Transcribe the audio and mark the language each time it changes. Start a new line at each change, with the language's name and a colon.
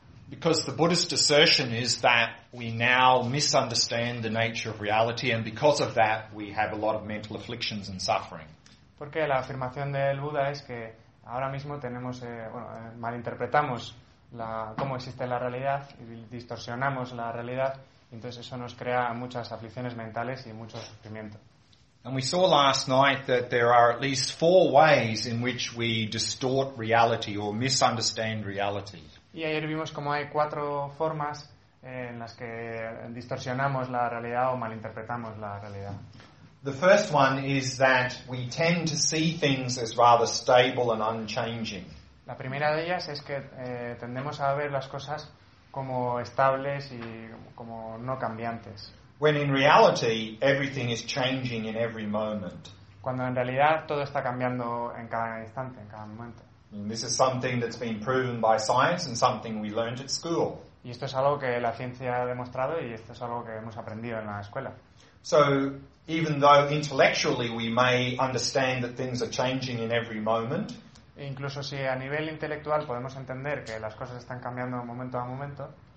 English: Because the Buddhist assertion is that we now misunderstand the nature of reality, and because of that, we have a lot of mental afflictions and suffering.
Spanish: Porque la afirmación del Buda es que ahora mismo tenemos, malinterpretamos cómo existe la realidad, y distorsionamos la realidad, y entonces eso nos crea muchas aflicciones mentales y mucho sufrimiento.
English: And we saw last night that there are at least four ways in which we distort reality or misunderstand reality.
Spanish: Y ayer vimos cómo hay cuatro formas en las que distorsionamos la realidad o malinterpretamos la realidad.
English: The first one is that we tend to see things as rather stable and unchanging.
Spanish: La primera de ellas es que tendemos a ver las cosas como estables y como no cambiantes.
English: When in reality, everything is changing in every moment.
Spanish: Cuando en realidad todo está cambiando en cada instante, en cada momento.
English: And this is something that's been proven by science and something we learned at school.
Spanish: Y esto es algo que la ciencia ha demostrado y esto es algo que hemos aprendido en la escuela.
English: So, even though intellectually we may understand that things are changing in every moment,
Spanish: incluso si a nivel intelectual podemos entender que las cosas están cambiando momento a momento,